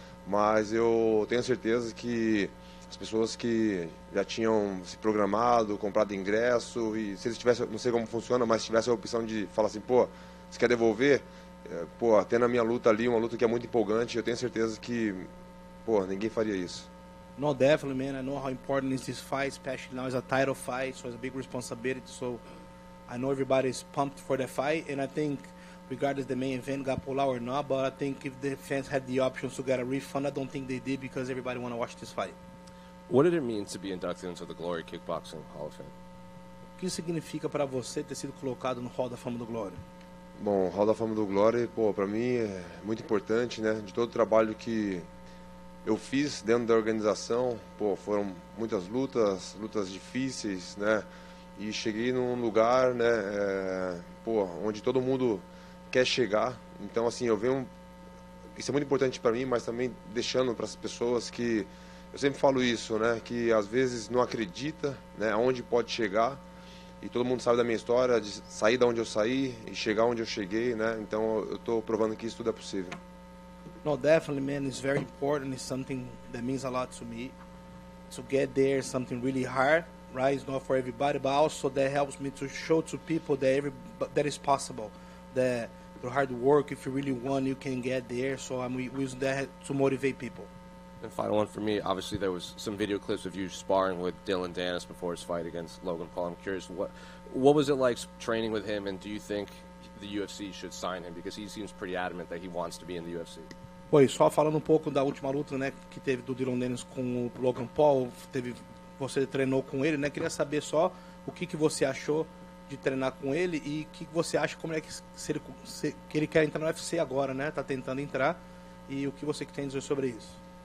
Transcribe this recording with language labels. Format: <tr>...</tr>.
<pt>Mas eu tenho certeza que as pessoas que já tinham se programado, comprado ingresso, e se eles tivessem, não sei como funciona, mas se tivesse a opção de falar assim, pô, você quer devolver? Pô, tendo a minha luta ali, uma luta que é muito empolgante, eu tenho certeza que, pô, ninguém faria isso.</pt> <en>No, definitely, man. I know how important is this fight, especially now it's a title fight, so it's a big responsibility. So I know everybody's pumped for the fight, and I think regardless the main event got pulled out or not, but I think if the fans had the options to get a refund, I don't think they did because everybody want to watch this fight. What did it mean to be inducted into the Glory Kickboxing Hall of Fame?</en> <pt>O que significa para você ter sido colocado no Hall da Fama do Glory? Bom, Hall da Fama do Glory, pô, para mim é muito importante, né? De todo o trabalho que eu fiz dentro da organização, pô, foram muitas lutas, lutas difíceis, né? E cheguei num lugar, né, pô, onde todo mundo quer chegar. Então, assim, eu venho, isso é muito importante para mim, mas também deixando para as pessoas que, eu sempre falo isso, né, que às vezes não acredita, né, aonde pode chegar. E todo mundo sabe da minha história, de sair da onde eu saí e chegar onde eu cheguei, né? Então eu estou provando que isso tudo é possível.</pt> <en>No, definitely, man, it's very important. It's something that means a lot to me. To get there, something really hard, right? It's not for everybody, but also that helps me to show to people that that is possible. That through hard work, if you really want, you can get there. So I'm using that to motivate people. And final one for me, obviously there was some video clips of you sparring with Dylan Danis before his fight against Logan Paul. I'm curious, what was it like training with him, and do you think the UFC should sign him? Because he seems pretty adamant that he wants to be in the UFC.</en> <pt>Oi, só falando um pouco da última luta, né, que teve do Dylan Danis com o Logan Paul, você treinou com ele, né? Queria saber só o que você achou de treinar com ele e o que você acha, como é que ele quer entrar no UFC agora, né? Tá tentando entrar, e o que você tem a dizer sobre isso?</pt>